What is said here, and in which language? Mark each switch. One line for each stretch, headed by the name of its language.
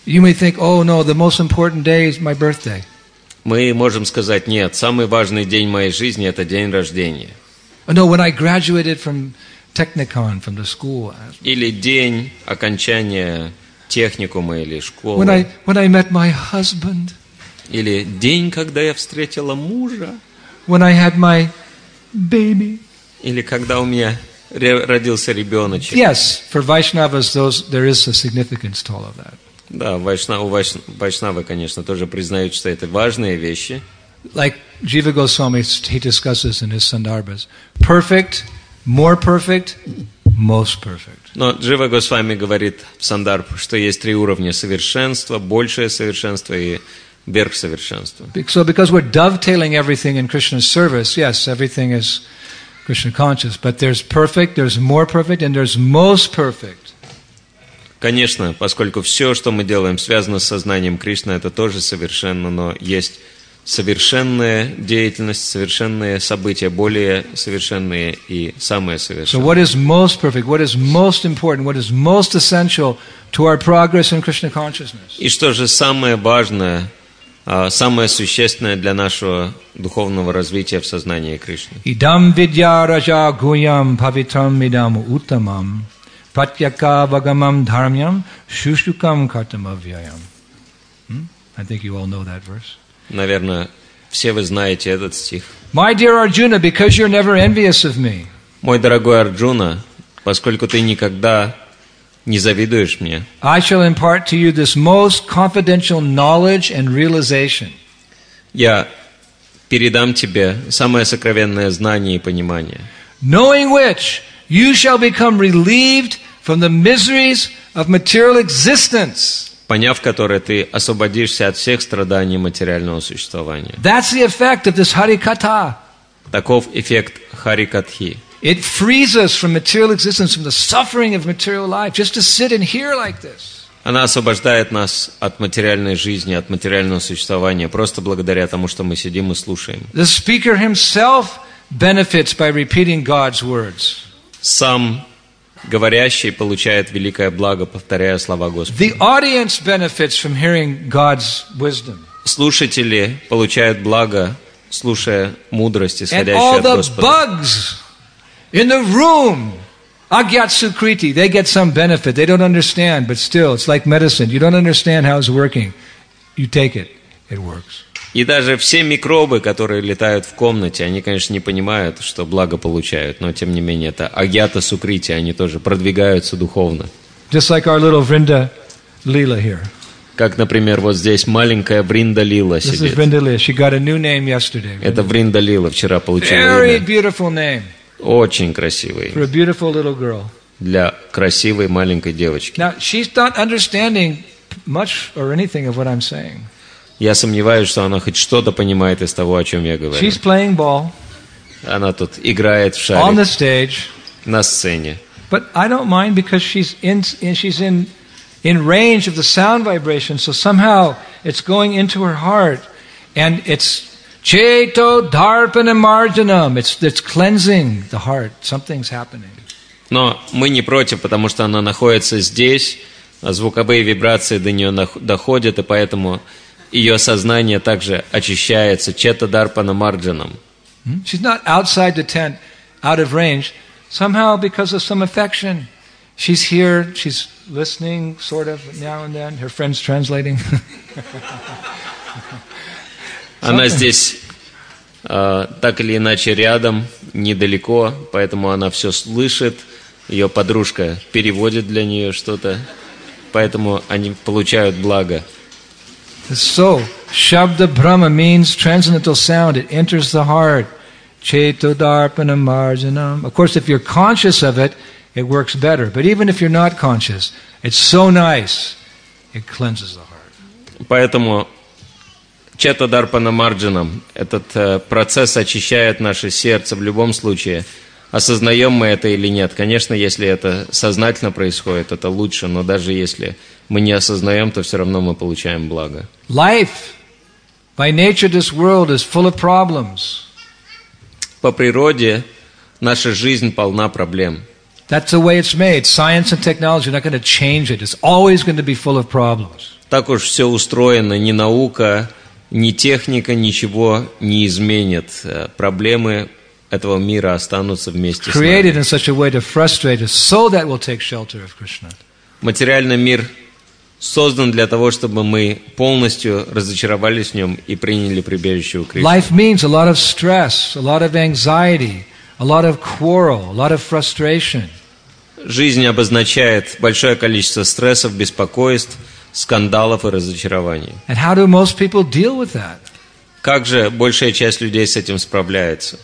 English: You may think, oh no, the most important day is my birthday.
Russian: Мы можем сказать, нет, самый важный день моей жизни – это день рождения.
English: No, when I graduated from Technicon, from the school.
Russian: Или день окончания техникума или школы.
English: When I met my husband.
Russian: Или день, когда я встретила мужа.
English: When I had my baby.
Russian: Или когда у меня родился ребеночек.
English: Yes, for Vaishnavas, there is a significance to all of that.
Russian: Да, Вайшнавы, конечно, тоже признают, что это важные вещи.
English: Like Jiva Goswami, he discusses in his Sandarbhas. Perfect, more perfect, most perfect.
Russian: Но Джива Госвами говорит в Сандарбхе, что есть три уровня – совершенство, большее совершенство и верхсовершенство.
English: So because we're dovetailing everything in Krishna's service, yes, everything is Krishna conscious, but there's perfect, there's more perfect, and there's most perfect.
Russian: Конечно, поскольку все, что мы делаем, связано с сознанием Кришны, это тоже совершенно, но есть совершенная деятельность, совершенные события, более совершенные и самые совершенные.
English: So what is most perfect, what is most important, what is most essential to our progress in Krishna consciousness?
Russian: И что же самое важное, самое существенное для нашего духовного развития в сознании Кришны?
Sanskrit: Идам видья ража гуям павитрам идам утамам пратьяка вагамам дхармьям шушукам картамавьяям.
English: I think you all know that verse.
Russian: Наверное, все вы знаете этот стих.
English: My dear Arjuna, because you're never envious of me.
Russian: Мой дорогой Арджуна, поскольку ты никогда не завидуешь мне.
English: I shall impart to you this most confidential knowledge and realization.
Russian: Я передам тебе самое сокровенное знание и понимание.
English: Knowing which, you shall become relieved from the miseries of material existence.
Russian: Поняв которое, ты освободишься от всех страданий материального существования.
English: That's the effect of this Харикатха.
Russian: Таков эффект Харикатхи.
English: It frees us from material existence, from the suffering of material life, just to sit and hear like this.
Russian: Она освобождает нас от материальной жизни, от материального существования, просто благодаря тому, что мы сидим и слушаем.
English: The speaker himself benefits by repeating God's words.
Russian: Сам говорящий получает великое благо, повторяя слова Господа.
English: The audience benefits from hearing God's wisdom.
Russian: Слушатели получают благо, слушая мудрость, исходящую от Господа.
English: And all the bugs in the room, Agyat Sukriti, they get some benefit. They don't understand, but still, it's like medicine. You don't understand how it's working. You take it. It works.
Russian: И даже все микробы, которые летают в комнате, они, конечно, не понимают, что благо получают, но, тем не менее, это Агьята Сукрити, они тоже продвигаются духовно.
English: Just like our little Vrinda Lila here.
Russian: Как, например, вот здесь маленькая Vrinda Lila сидит.
English: This is Vrinda Lila. She got a new name yesterday.
Russian: Vrinda. Это Vrinda Lila вчера получила имя.
English: Very beautiful name.
Russian: Очень красивое имя.
English: For a beautiful little girl.
Russian: Для красивой маленькой девочки.
English: Now, she's not understanding much or anything of what I'm saying.
Russian: Я сомневаюсь, что она хоть что-то понимает из того, о чем я говорю.
English: She's playing ball.
Russian: Она тут играет в шарик.
English: On the stage.
Russian: На сцене.
English: But I don't mind because she's in range of the sound vibration, so somehow it's going into her heart, and it's
Sanskrit: cheto darpana marjanam.
English: It's cleansing the heart. Something's happening.
Russian: Но мы не против, потому что она находится здесь, а звуковые вибрации до нее доходят, и поэтому ее сознание также очищается
Sanskrit: четадарпана марджаном.
English: She's not outside the tent, out of range. Somehow, because of some affection, she's here. She's listening, sort of now and then. Her friend's translating.
Russian: Она здесь так или иначе рядом, недалеко, поэтому она все слышит. Ее подружка переводит для нее что-то, поэтому они получают благо.
English: So, Shabda Brahma means transcendental sound. It enters the heart.
Sanskrit: Cheto darpana marjanam.
English: Of course, if you're conscious of it, it works better. But even if you're not conscious, it's so nice. It cleanses the heart.
Russian: Поэтому
Sanskrit: Cheto darpana marjanam,
Russian: этот процесс очищает наше сердце в любом случае. Осознаем мы это или нет? Конечно, если это сознательно происходит, это лучше, но даже если мы не осознаем, то все равно мы получаем благо.
English: Life, by nature, this world is full of problems.
Russian: По природе наша жизнь полна проблем.
English: That's the way it's made. Science and technology are not going to change it. It's always going to be full of problems.
Russian: Так уж все устроено. Ни наука, ни техника ничего не изменит. Проблемы этого мира останутся вместе с нами.
English: Created in such a way to frustrate us so that we'll take shelter of Krishna.
Russian: Материальный мир создан для того, чтобы мы полностью разочаровались в нем и приняли прибежище у Кришны.
English: Life means a lot of stress, a lot of anxiety, a lot of quarrel, a lot of frustration.
Russian: Жизнь обозначает большое количество стрессов, беспокойств, скандалов и разочарований.
English: And how do most people deal with that?
Russian: Как же большая часть людей с этим справляется?